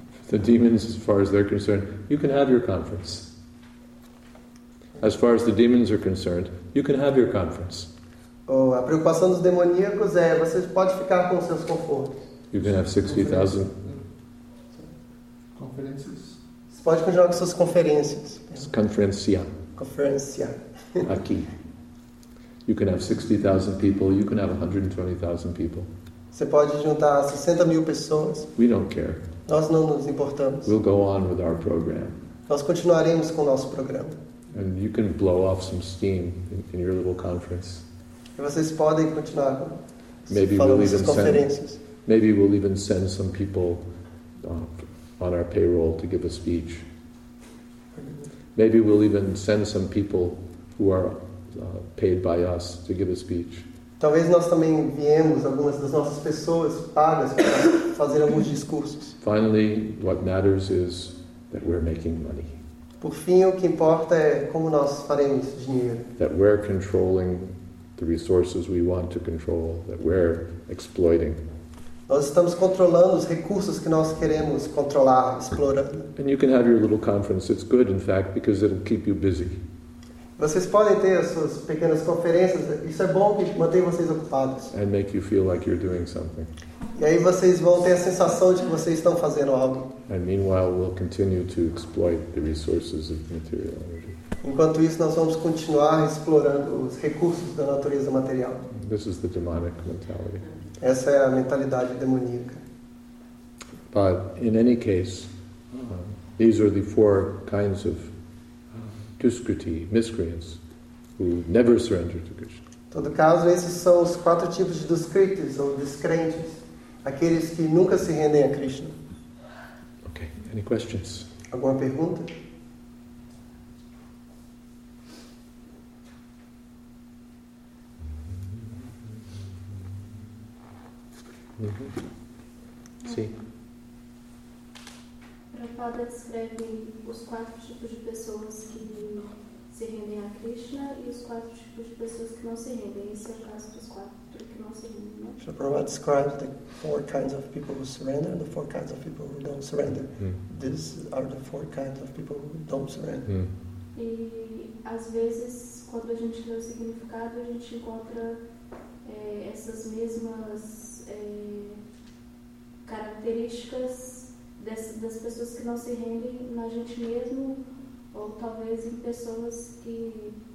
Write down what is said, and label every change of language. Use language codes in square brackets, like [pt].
[en] The demons, as far as they're concerned, you can have your conference. As far as the demons are concerned, you can have your conference. [pt] A preocupação dos demoníacos é, você pode ficar com seus confortos. [en] You can have 60,000 conferences. [pt] Pode continuar com suas conferências. Conferência. Conferência. Aqui. [en] You can have 60,000 people, you can have 120,000 people. [pt] Você pode juntar 60 mil pessoas. [en] We don't care. [pt] Nós não nos importamos. [en] We'll go on with our program. [pt] Nós continuaremos com o nosso programa. [en] And you can blow off some steam in your little conference. [pt] E vocês podem continuar com [en] maybe [pt] falando [en] we'll [pt] suas conferências. [en] Maybe we'll even send some people on our payroll to give a speech. Maybe we'll even send some people who are paid by us to give a speech. [pt] Talvez nós também enviemos algumas das nossas pessoas pagas para fazer alguns discursos. [en] Finally, what matters is that we're making money. [pt] Por fim, o que importa é como nós faremos dinheiro. [en] That we're controlling the resources we want to control, that we're exploiting. [pt] Nós estamos controlando os recursos que nós queremos controlar, explorar. [en] And you can have your little conference. It's good, in fact, because it'll keep you busy. [pt] Vocês podem ter as suas pequenas conferências. Isso é bom, que mantém vocês ocupados. [en] And make you feel like you're doing something. [pt] E aí vocês vão ter a sensação de que vocês estão fazendo algo. [en] And meanwhile, we'll continue to exploit the resources of material energy. [pt] Enquanto isso, nós vamos continuar explorando os recursos da natureza material. [en] This is the demonic mentality. [pt] Essa é a mentalidade demoníaca. [en] But in any case, these are the four kinds of duskriti, miscreants, who never surrender to Krishna. [pt] Em todo caso, esses são os quatro tipos de duskritis, ou descrentes, aqueles que nunca se rendem a Krishna. [en] Okay, any questions? [pt] Alguma pergunta? Uhum. Sim. Prabhupada descreve os quatro tipos de pessoas que se rendem a Krishna e os quatro tipos de pessoas que não se rendem. Esse é o caso dos quatro que não se rendem. [en] So Prabhupada describes the four kinds of people who surrender and the four kinds of people who don't surrender. These are the four kinds of people who don't surrender. [pt] E às vezes, quando a gente lê o significado, a gente encontra essas mesmas características das pessoas que não se rendem na gente mesmo, ou talvez em pessoas que